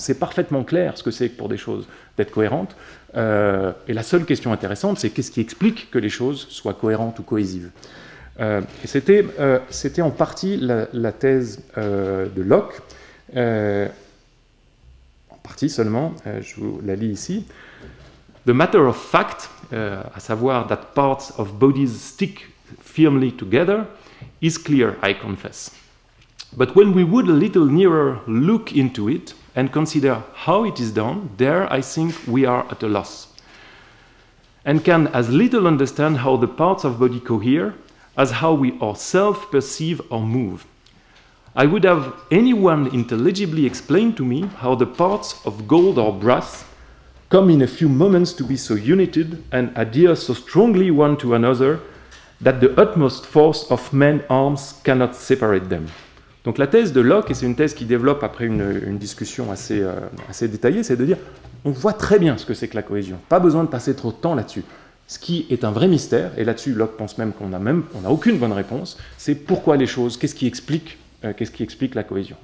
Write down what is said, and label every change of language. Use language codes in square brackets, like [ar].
[fr] C'est parfaitement clair ce que c'est pour des choses d'être cohérentes. Et la seule question intéressante, c'est qu'est-ce qui explique que les choses soient cohérentes ou cohésives. Et c'était en partie la thèse de Locke, en partie seulement, je vous la lis ici. [en] The matter of fact, [fr] à savoir [en] that parts of bodies stick firmly together, is clear, I confess. But when we would a little nearer look into it and consider how it is done, there I think we are at a loss. And can as little understand how the parts of body cohere as how we ourselves perceive or move. I would have anyone intelligibly explain to me how the parts of gold or brass come in a few moments to be so united and adhere so strongly one to another that the utmost force of men's arms cannot separate them. [fr] Donc la thèse de Locke, et c'est une thèse qui développe après une discussion assez détaillée, c'est de dire, on voit très bien ce que c'est que la cohésion, pas besoin de passer trop de temps là-dessus. Ce qui est un vrai mystère, et là-dessus Locke pense même qu'on n'a aucune bonne réponse, c'est pourquoi les choses, qu'est-ce qui explique la cohésion.